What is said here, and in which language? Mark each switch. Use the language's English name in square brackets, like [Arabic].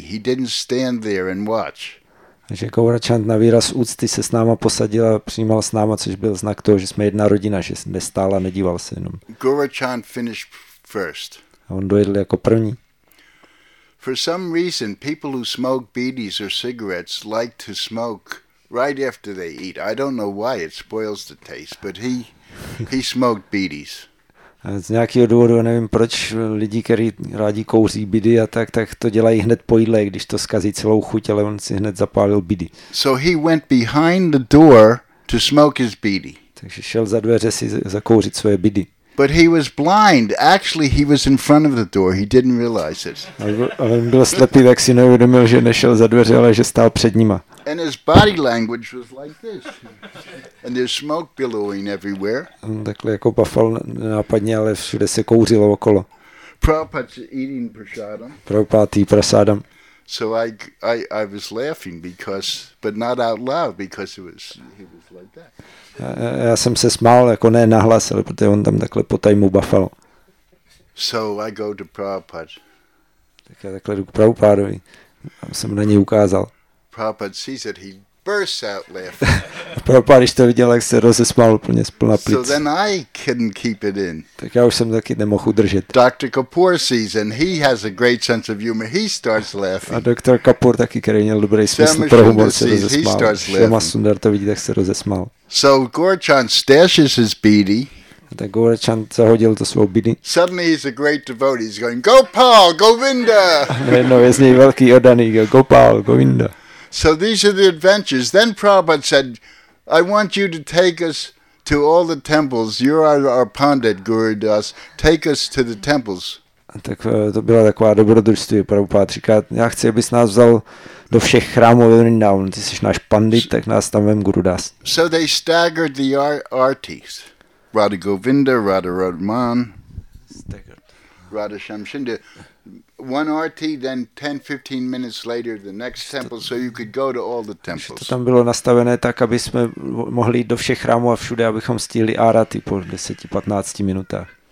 [English] He didn't stand there and watch. [Czech] Takže Gorchand na výraz úcty se s náma posadil a přijímal s náma, což byl znak toho, že jsme jedna rodina, že nestál a nedíval se jenom. [English] Gorchand finished first. [Czech] A on dojedl jako první. [English] For some reason, people who smoke bidis or cigarettes like to smoke right after they eat. I don't know why, it spoils the taste, but he smoked bidis. [Czech] Z nějakého důvodu, nevím proč, lidi, kteří rádi kouří bidy a tak, tak to dělají hned po jídle, když to zkazí celou chuť, ale on si hned zapálil bidy. [English] So he went behind the door to smoke his bidy. [Czech] Takže šel za dveře si zakouřit svoje bidy. [English] But he was blind. Actually, he was in front of the door. He didn't realize it. [Czech] On byl slepý, tak si neuvědomil, že nešel za dveře, ale že stál před nima. [English] And his body language was like this. And there's smoke billowing everywhere. [Czech] Takhle jako bafal nápadně, ale všude se kouřilo okolo. [English] Prabhupada eating prasadam. [Czech] Prabhupada jí prasadam. [English] So I was laughing because, but not out loud because he was like that. [Czech] Já jsem se smál, jako ne nahlas, ale protože on tam takhle potajmu bafal. [English] So I go to Prabhupada. [Czech] Tak já takhle jdu k Prabhupádovi. A jsem na něj ukázal. [English] Prabhupada sees it, he bursts out laughing. [Czech] A Prabhupada, když to viděl, jak se rozesmál úplně splná plic. [English] So then I couldn't keep it in. [Czech] Tak já už jsem taky nemohl udržet. [English] Dr. Kapoor sees and he has a great sense of humor. He starts laughing. [Czech] A Dr. Kapoor taky, který měl dobrý smysl pro humor, se rozesmál. Shama Sundar to vidí, tak se rozesmál. [English] So Gorchand stashes his beady. [Czech] Tak Gorchand zahodil to svou bidy. [English] Suddenly he's a great devotee. He's going, Gopal, Govinda. [Czech] No, je z něj velký oddaný. Gopal, Govinda. [English] So these are the adventures. Then Prabhupada said, "I want you to take us to all the temples. You're our pandit, Gurudas. Take us to the temples." [Czech] Tak to byla taková dobrodružství. Prabhupada říká, já chci, abys nás vzal do všech chrámů ve Vrindavan. Ty jsi náš pandit, tak nás tam vem, Gurudas. [English] So they staggered the artis. Radha Govinda, Radha Radhaman. Staggered. Radha Shamshinda. One RT, then 10-15 minutes later, the next temple, so you could go to all the temples. [Czech] To tam bylo nastavené tak, aby jsme mohli jít do všech chrámů a všude, abychom stihli arati po 10-15 minutách.